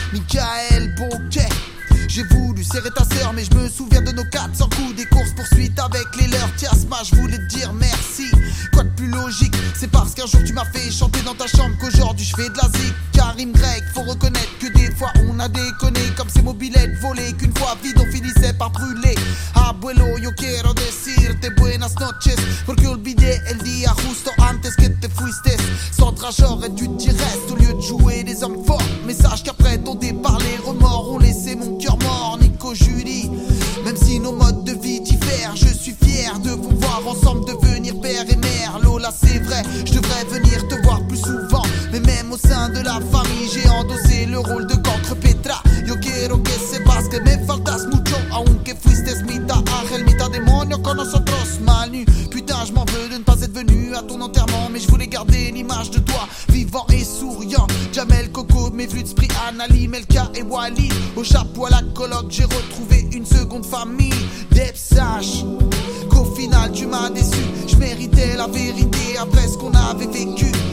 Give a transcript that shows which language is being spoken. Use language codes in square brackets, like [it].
[fr] Michael Bonquet, j'ai voulu serrer ta sœur, mais je me souviens de nos 400 coups des courses poursuites avec les leurs. Tiasma, je voulais te dire merci. Quoi de plus logique? C'est parce qu'un jour tu m'as fait chanter dans ta chambre qu'aujourd'hui je fais de la zik. Karim Grec, faut reconnaître que des fois on a déconné, comme ces mobilettes volées qu'une fois vide on finissait par brûler. [es] Abuelo, yo quiero decirte buenas noches, porque olvidé el día justo antes que te fuiste. [fr] Sandra, j'aurais dû t'y rester au lieu de jouer des hommes forts. Mais sache qu'après ton départ, les remords ont laissé mon cœur mort. Nico, Julie, même si nos modes de vie diffèrent, je suis fier de vous voir ensemble devenir père et mère. Lola, c'est vrai, je devrais venir te voir plus souvent, mais même au sein de la famille, j'ai endossé le rôle de contre Petra. [es] Yo quiero que sepas que me faltas mucho, aunque fuiste mitad ángel, mitad demonio con nosotros. [fr] Manu, putain, je m'en veux de ne pas être venu à ton enterrement, mais je voulais garder l'image de toi, vivant et souriant. Jamel, Coco, mes flûtes, Spri, Anali, Melka et Wally. Au chapeau à la coloc, j'ai retrouvé une seconde famille. Deb, sache qu'au final, tu m'as déçu. Je méritais la vérité après ce qu'on avait vécu.